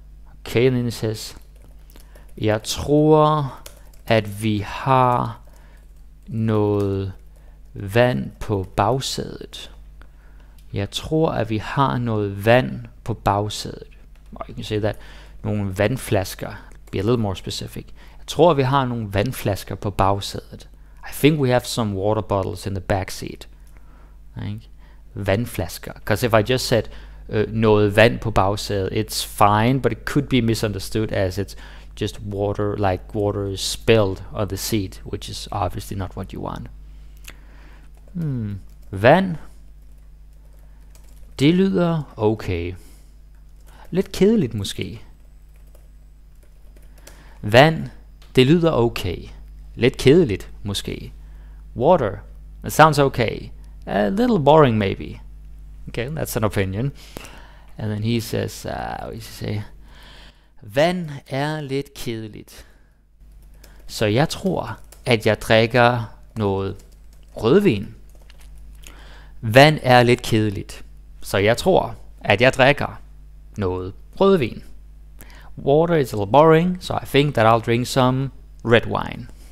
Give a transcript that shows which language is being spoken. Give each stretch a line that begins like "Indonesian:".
English: Okay, then he says,
Danish: jeg tror, at vi har noget vand på bagsædet. Jeg tror, at vi har noget vand på bagsædet.
English: Or you can say that,
Danish: nogle vandflasker.
English: Be a little more specific.
Danish: Jeg tror, vi har nogle vandflasker på bagsædet.
English: I think we have some water bottles in the back seat. Vandflasker. Because if I just said
Danish: noget vand på bagsædet,
English: it's fine, but it could be misunderstood as it's just water, like water is spilled on the seat, which is obviously not what you want.
Danish: Vand. Det lyder okay. Lidt kedeligt måske. Vand, det lyder okay. Lidt kedeligt måske.
English: Water, that sounds okay. A little boring maybe. Okay, that's an opinion. And then he says, what does he say?
Danish: Vand er lidt kedeligt. Så jeg tror, at jeg drikker noget rødvin. Vand er lidt kedeligt. Så jeg tror, at jeg drikker noget rødvin.
English: Water is a little boring, so I think that I'll drink some red wine.